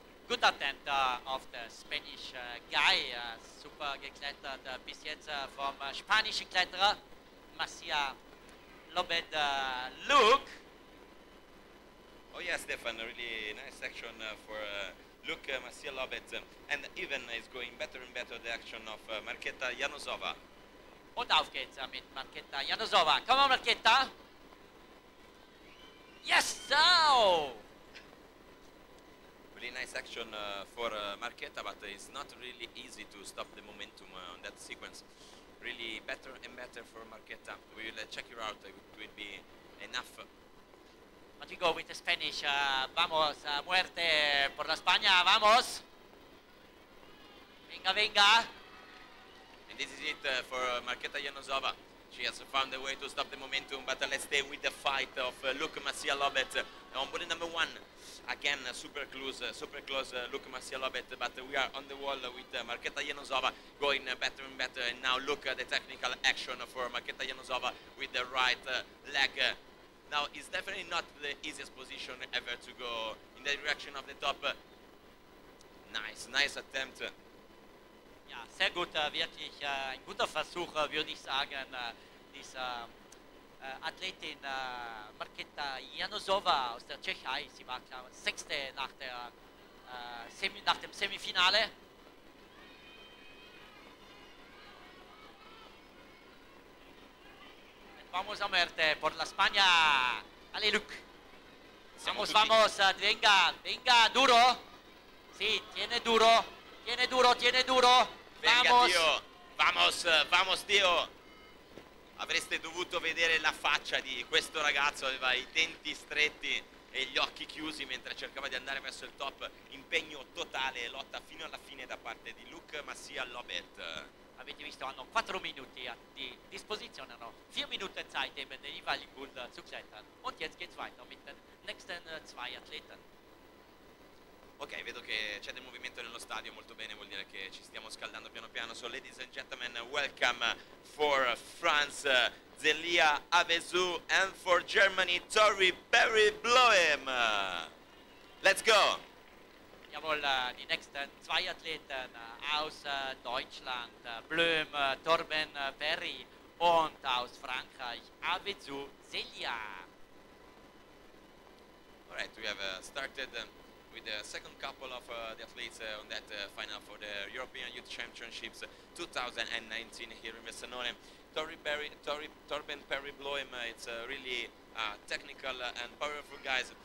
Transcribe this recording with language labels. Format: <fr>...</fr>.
<en>Good attempt of the Spanish guy,</en> <de>super geklettert bis jetzt vom spanischen Kletterer, Marcia Lobet Luke.</de> <en>Oh yeah, Stefan, really nice action for Luke Marcia Lobet, and even is going better and better the action of Marketa Janosova.</en> <de>Und auf geht's mit Marketa Janosova,</de> <en>come on</en> <de>Marketa!</de> <en>Yes, so! Really nice action for Marketa, but it's not really easy to stop the momentum on that sequence. Really better and better for Marketa. We will check her out, it will be enough. But we go with the Spanish,</en> <es>vamos, muerte por la España, vamos! Venga, venga!</es> <en>And this is it for Marketa Janosova. She has found a way to stop the momentum, but let's stay with the fight of Luke Marcial Lobet on bullet number one. Again, super close, Luke Marcial Lobet, but we are on the wall with Marketa Janosova going better and better. And now look at the technical action for Marketa Janosova with the right leg. Now, it's definitely not the easiest position ever to go in the direction of the top. Nice, nice attempt.</en> <de>Ja, sehr gut, wirklich ein guter Versuch, würde ich sagen, dieser Athletin Marketa Janosova aus der Tschechei. Sie war klar Sechste nach der nach dem Semifinale.</de> <es>Und vamos a muerte por la España. Alle Luke. Vamos, vamos, venga, venga, duro. Sì, tiene duro, tiene duro, tiene duro. Venga, vamos. Tio, vamos, vamos, tio.</es> <it>Avreste dovuto vedere la faccia di questo ragazzo, aveva i denti stretti e gli occhi chiusi mentre cercava di andare verso il top. Impegno totale, lotta fino alla fine da parte di Luke Marcial Lobet. Avete visto, hanno 4 minuti a disposizione, no? 4 minuti</it> <de>Zeit eben, den jeweiligen Gold zu klettern. Und jetzt geht's weiter mit den nächsten 2 Athleten.</de> <it>Ok, vedo che c'è del movimento nello stadio, molto bene, vuol dire che ci stiamo scaldando piano piano.</it> <en>So, ladies and gentlemen, welcome for France, Zelia Avezu, and for Germany, Tori Perry Bloem. Let's go!</en> <de>Jawohl, die nächsten 2 Athleten aus Deutschland, Bloem, Torben Perry, und aus Frankreich, Avezu, Zelia.</de> <en>Alright, we have started with the second couple of the athletes on that final for the European Youth Championships 2019 here in Messanone. Torben Perry Bloem, it's a really technical and powerful guy.</en>